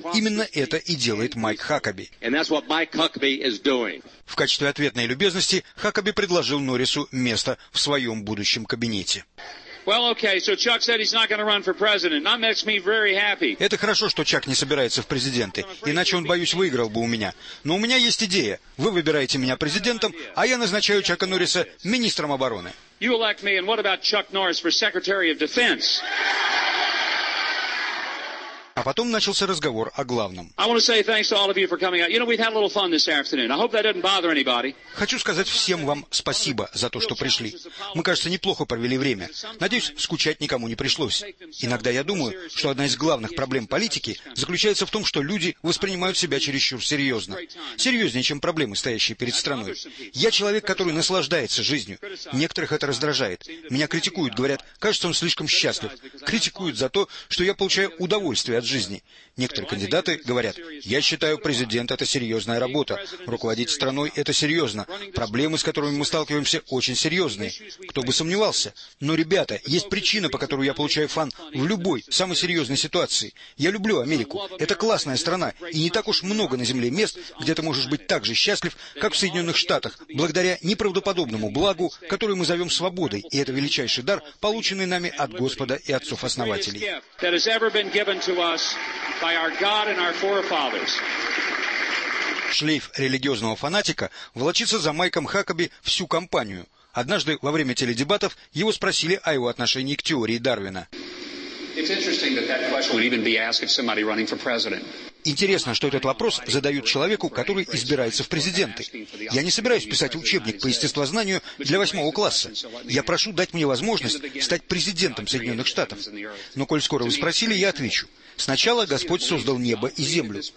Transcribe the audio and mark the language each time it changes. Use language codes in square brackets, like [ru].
[ru] Именно это и делает Майк Хаккаби. В качестве ответной любезности Хаккаби предложил Норрису место в своем будущем кабинете. Это хорошо, что Чак не собирается в президенты, иначе он, боюсь, выиграл бы у меня. Но у меня есть идея. Вы выбираете меня президентом, а я назначаю Чака Норриса министром обороны. [en] You elect me, and what about Chuck Norris for Secretary of Defense? [ru] А потом начался разговор о главном. Хочу сказать всем вам спасибо за то, что пришли. Мы, кажется, неплохо провели время. Надеюсь, скучать никому не пришлось. Иногда я думаю, что одна из главных проблем политики заключается в том, что люди воспринимают себя чересчур серьезно. Серьезнее, чем проблемы, стоящие перед страной. Я человек, который наслаждается жизнью. Некоторых это раздражает. Меня критикуют, говорят, кажется, он слишком счастлив. Критикуют за то, что я получаю удовольствие от жизни. Некоторые кандидаты говорят, я считаю, президент — это серьезная работа. Руководить страной — это серьезно. Проблемы, с которыми мы сталкиваемся, очень серьезные. Кто бы сомневался. Но, ребята, есть причина, по которой я получаю фан в любой, самой серьезной ситуации. Я люблю Америку. Это классная страна. И не так уж много на Земле мест, где ты можешь быть так же счастлив, как в Соединенных Штатах, благодаря неправдоподобному благу, которое мы зовем свободой. И это величайший дар, полученный нами от Господа и отцов-основателей. [en] That has ever been given to us by our God and our forefathers. [ru] Шлейф религиозного фанатика волочится за Майком Хаккаби всю кампанию. Однажды во время теледебатов его спросили о его отношении к теории Дарвина. [en] It's interesting that that question would even be asked of somebody running for president. [ru] Интересно, что этот вопрос задают человеку, который избирается в президенты. Я не собираюсь писать учебник по естествознанию для 8 класса. Я прошу дать мне возможность стать президентом Соединенных Штатов. Но коль скоро вы спросили, я отвечу. Сначала Господь создал небо и землю.